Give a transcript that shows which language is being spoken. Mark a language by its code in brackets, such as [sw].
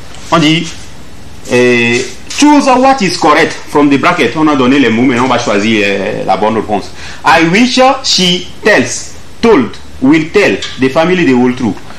[fr] On dit [en] choose what is correct from the bracket. [fr] On a donné les mots, mais on va choisir la bonne réponse. [en] I wish she tells, told, will tell the family the whole truth.